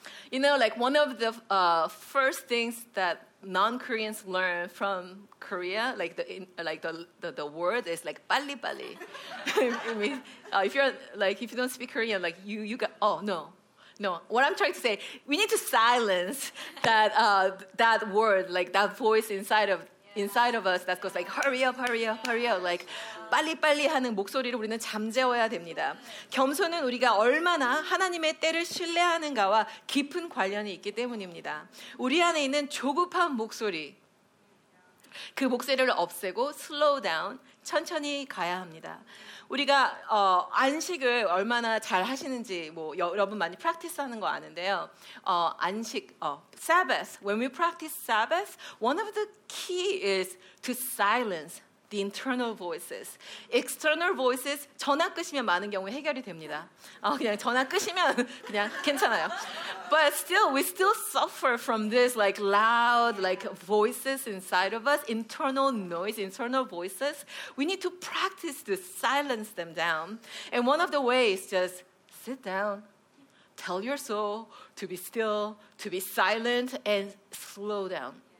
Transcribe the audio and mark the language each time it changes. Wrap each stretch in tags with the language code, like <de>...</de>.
<en>You know, like one of the first things that non-Koreans learn from Korea, like the word is like 빨리빨리. if you don't speak Korean, like you got no. What I'm trying to say, we need to silence that word, like that voice inside of us that goes like hurry up, hurry up, hurry up.</en> <ko>Like 빨리빨리 하는 목소리를 우리는 잠재워야 됩니다. 겸손은 우리가 얼마나 하나님의 때를 신뢰하는가와 깊은 관련이 있기 때문입니다. 우리 안에 있는 조급한 목소리. 그 목소리를 없애고</ko> <en>slow down,</en> <ko>천천히 가야 합니다. 우리가 안식을 얼마나 잘 하시는지 뭐 여러분 많이 practice 하는 거 아는데요.</ko> <en>Sabbath, when we practice Sabbath, one of the key is to silence the internal voices. External voices,</en> <ko>전화 끄시면 많은 경우 해결이 됩니다. 그냥 전화 끄시면 그냥 괜찮아요.</ko> <en>But still, we still suffer from this like loud like voices inside of us, internal noise, internal voices. We need to practice to silence them down. And one of the ways, just sit down, tell your soul to be still, to be silent, and slow down.</en>